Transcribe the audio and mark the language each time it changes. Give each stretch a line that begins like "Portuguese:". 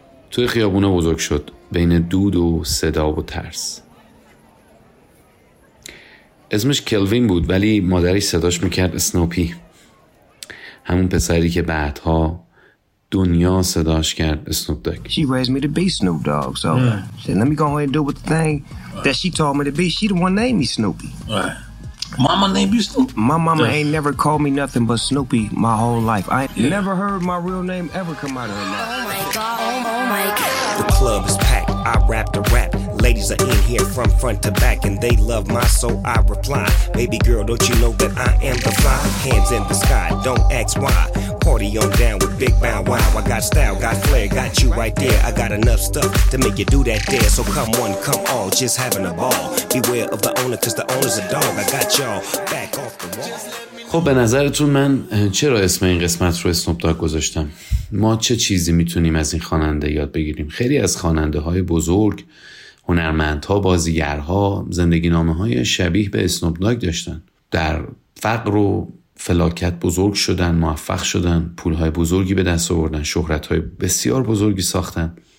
Persian: توی خیابونه بزرگ شد بین دود و صدا و ترس. اسمش کلوین بود ولی مادرش صداش میکرد اسنوپی، همون پسری که بعدها دنیا صداش کرد اسنوپ داگ.
English: She raised me to be Snoop Dogg, so said, let me go ahead and do with the thing that she taught me to be. She the one named me Snoopy. Mama named you Snoopy? My mama ain't never called me nothing but Snoopy my whole life. I never heard my real name ever come out of her mouth. Oh my God. The club is packed, I rap the rap. Ladies are in here from front to back and they love my soul, I reply. Baby girl, don't you know that I am the fly? Hands in the sky, don't ask why. Party on down with Big Bang Wow. I got style, got flair, got you right there. I got enough stuff to make you do that there. So come one, come all, just having a ball. Beware of the owner, cause the owner's a dog. I got y'all back off the wall.
Persian: خب به نظرتون من چرا اسم این قسمت رو اسنوپ داگ گذاشتم؟ ما چه چیزی میتونیم از این خواننده یاد بگیریم؟ خیلی از خواننده های بزرگ، هنرمندها، بازیگرها زندگی نامه های شبیه به اسنوپ داگ داشتن. در فقر و فلاکت بزرگ شدن، موفق شدن، پول های بزرگی به دست آوردن، شهرت های بسیار بزرگی ساختن.